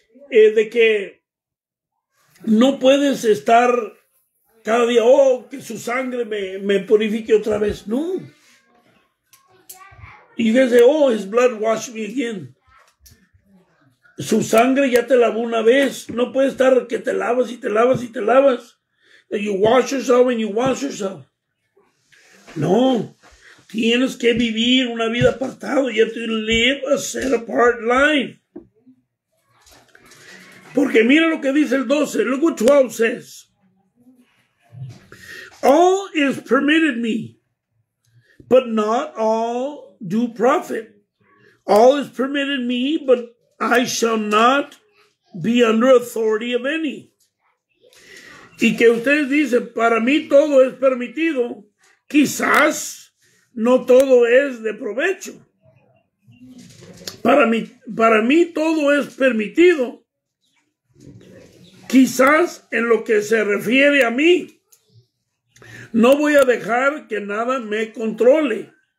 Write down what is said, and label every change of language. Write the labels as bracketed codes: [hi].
[es] De que no puedes estar cada día, oh, que su sangre me purifique otra vez. No. [en] Y you guys say, oh, His blood washed me again. [es] Su sangre ya te lavó una vez. No puede estar que te lavas y te lavas y te lavas. [en] That you wash yourself and you wash yourself. No. [es] Tienes que vivir una vida apartada. [en] You have to live a set apart life. [es] Porque mira lo que dice el 12. [en] Look what 12 says. All is permitted me, but not all do profit. All is permitted me, but I shall not be under authority of any. [es] Y que ustedes dicen, para mí todo es permitido, quizás no todo es de provecho. Para mí todo es permitido, quizás en lo que se refiere a mí, no voy a dejar que nada me controle.